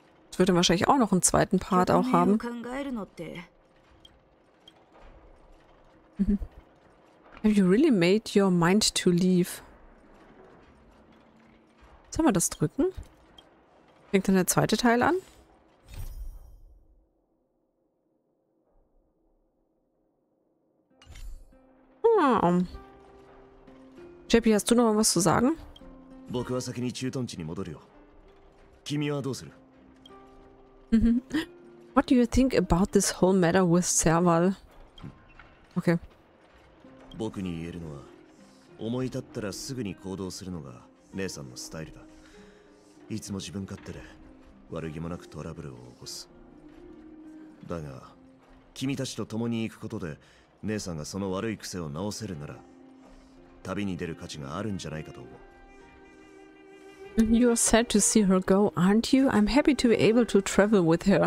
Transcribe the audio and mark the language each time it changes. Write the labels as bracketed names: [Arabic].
[German] Das würde wahrscheinlich auch noch einen zweiten Part auch haben. [English] Have you really made your mind to leave? [German] Sollen wir das drücken? Fängt dann der zweite Teil an? Hm. JP, hast du noch was zu sagen? [Japanese] 僕は先に駐屯地に戻るよ。君はどうする? [English] What do you think about this whole matter with Serval? Okay. [Japanese] 僕に言えるのは、思い立ったらすぐに行動するのが姉さんのスタイルだ。いつも自分勝手で悪気もなくトラブルを起こす。だが、君たちと共に行くことで姉さんがその悪い癖を直せるなら、旅に出る価値があるんじゃないかと思う。 [English] You're sad to see her go, aren't you? I'm happy to be able to travel with her.